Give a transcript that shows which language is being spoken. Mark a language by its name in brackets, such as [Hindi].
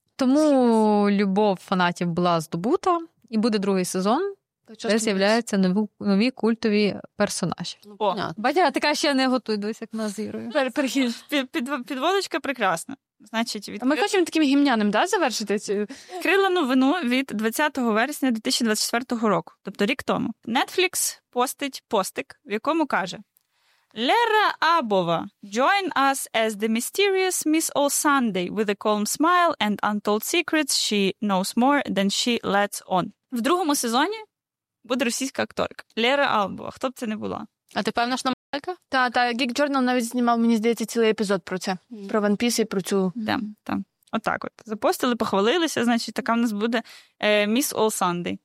[Ukrainian] Тому любов фанатів була здобута, і буде другий сезон, де з'являються нові культові персонажі. Батя, ти кажеш, я не готую, дивись, як вона з Ірою. Підводочка прекрасна. Значить, ми хочемо таким гімняним завершити цю? Крила новину від 20 вересня 2024 року, тобто рік тому. Netflix постить постик, в якому каже... [English] Лера Абова, join us as the mysterious Miss All Sunday with a calm smile and untold secrets she knows more than she lets on. [Ukrainian] В другому сезоні буде російська акторка. Лера Абова, хто б це не була. А ти певна, що намалька? Так, Geek Journal навіть знімав, мені здається, цілий епізод про це. Про One Piece і про цю... Так. Отак от. Запостили, похвалилися, значить, така в нас буде Miss All Sunday.